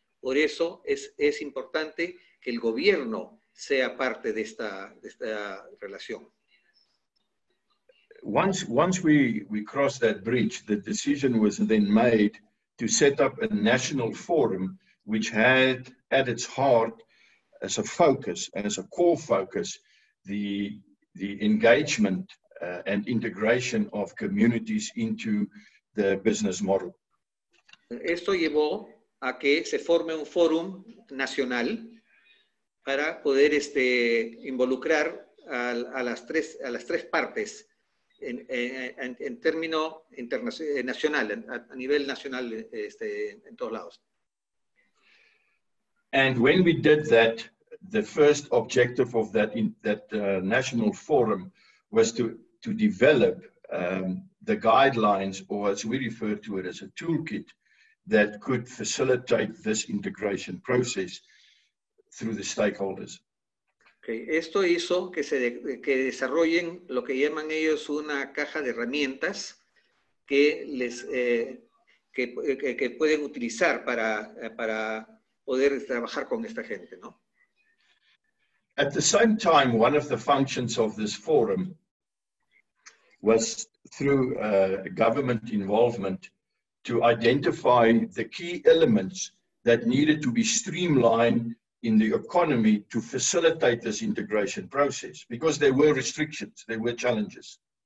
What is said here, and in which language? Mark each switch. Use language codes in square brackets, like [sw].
[es] Por eso es importante que el gobierno sea parte de esta relación. [en] Once we crossed that bridge, the decision was then made to set up a national forum which had at its heart as a focus, as a core focus, the engagement and integration of communities into the business model. [es] Esto llevó a que se forme un forum nacional para poder involucrar a las tres partes en término nacional, a nivel nacional en todos lados. [en] And when we did that, the first objective of that national forum was to develop the guidelines, or as we refer to it, as a toolkit that could facilitate this integration process through the stakeholders. Okay. [es] Esto hizo que que desarrollen lo que llaman ellos una caja de herramientas que que pueden utilizar para poder trabajar con esta gente, ¿no? [en] At the same time, one of the functions of this forum was through government involvement to identify the key elements that needed to be streamlined in the economy to facilitate this integration process, because there were restrictions, there were challenges.